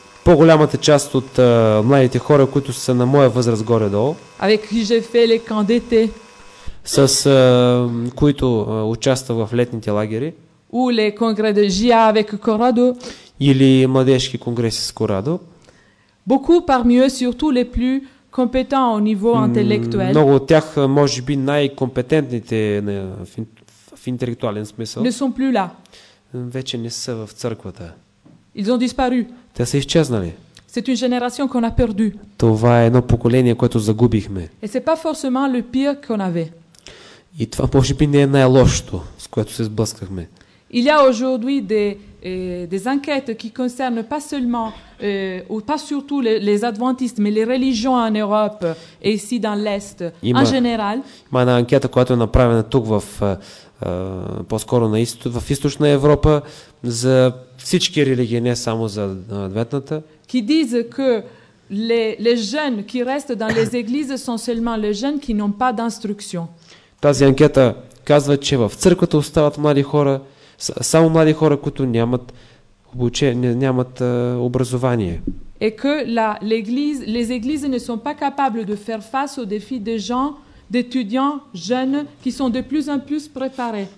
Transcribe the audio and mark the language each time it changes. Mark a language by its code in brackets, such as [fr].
[bg] По-голямата част от младите хора, които са на моя възраст горе-долу. [fr] Avec qui j'ai fait les camps d'été. [bg] С които участвах в летните лагери. [fr] Ou les congrès de GIA avec Corrado. [bg] Или младежки конгреси с Corrado. [fr] Beaucoup parmi eux, surtout les plus compétent au niveau intellectuel. [bg] Много от тях може би най-компетентните в интелектуален смисъл. [fr] Не sont plus là. [bg] Вече не са в църквата. [fr] Ils ont disparu. [bg] Те са изчезнали. [fr] C'est une génération qu'on a perdu. [bg] Това е едно поколение, което загубихме. [fr] Et c'est pas forcément le pire qu'on avait. [bg] И това може би не е най-лошото, с което се сблъскахме. [fr] Il y a aujourd'hui des enquêtes qui concernent pas seulement ou pas surtout les adventistes mais les religions en Europe et ici dans l'Est en général. [bg] Има една анкета, която е направена тук в по-скоро на изток, в Източна Европа за всички религии, не само за адвентната. [fr] Qui disent que les jeunes qui restent dans les églises sont seulement les jeunes qui n'ont pas d'instruction. [bg] Тази анкета казва, че в църквата остават млади хора. Само млади хора, които нямат обучение, нямат образование. [fr] Et que les églises ne sont pas capables de faire face aux défis des gens, d'étudiants jeunes qui sont de plus en plus préparés.